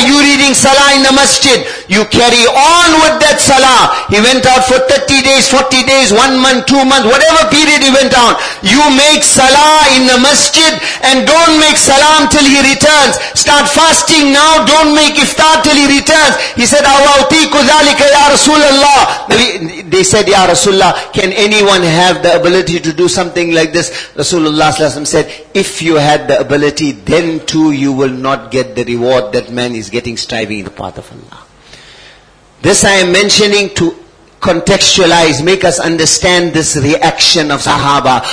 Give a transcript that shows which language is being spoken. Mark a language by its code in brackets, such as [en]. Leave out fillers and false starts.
[en] You reading salah in the masjid. You carry on with that salah. He went out for 30 days, 40 days, 1 month, 2 months, whatever period he went out. You make salah in the masjid and don't make salam till he returns. Start fasting now, don't make iftar till he returns. He said, [ar] أَوَأُتِيكُ ذَلِكَ يَا رَسُولَ اللَّهِ. [en] They said, Ya Rasulullah, can anyone have the ability to do something like this? Rasulullah said, if you had the ability, then too you will not get the reward that man is getting striving in the path of Allah. This I am mentioning to contextualize, make us understand this reaction of Sahaba.